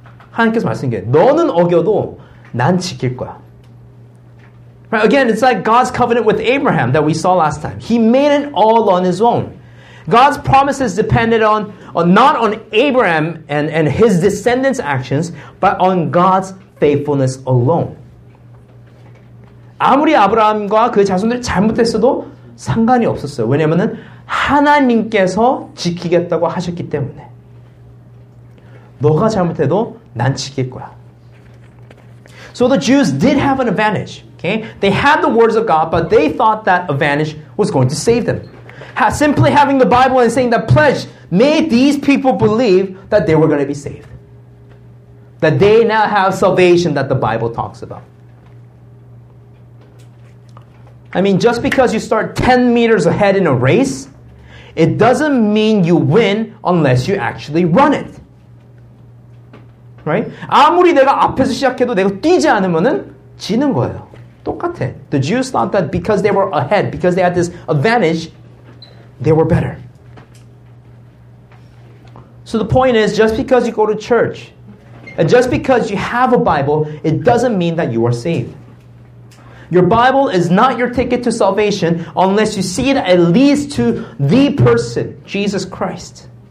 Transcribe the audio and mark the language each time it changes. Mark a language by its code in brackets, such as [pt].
[ko] 하나님께서 말씀한 게 너는 어겨도 난 지킬 거야. [en] Right? Again, it's like God's covenant with Abraham that we saw last time. He made it all on his own. God's promises depended on not on Abraham and his descendants' actions, but on God's faithfulness alone. [ko] 아무리 아브라함과 그 자손들이 잘못했어도 상관이 없었어요. 왜냐하면 하나님께서 지키겠다고 하셨기 때문에. 너가 잘못해도 난 지킬 거야. [en] So the Jews did have an advantage. Okay? They had the words of God, but they thought that advantage was going to save them. Simply having the Bible and saying the pledge made these people believe that they were going to be saved. That they now have salvation that the Bible talks about. I mean, just because you start 10 meters ahead in a race, it doesn't mean you win unless you actually run it. Right? [ko] 아무리 내가 앞에서 시작해도 내가 뛰지 않으면은 지는 거예요. 똑같아. [en] The Jews thought that because they were ahead, because they had this advantage, they were better. So the point is, just because you go to church, and just because you have a Bible, it doesn't mean that you are saved. Your Bible is not your ticket to salvation unless you see it at least to the person, Jesus Christ.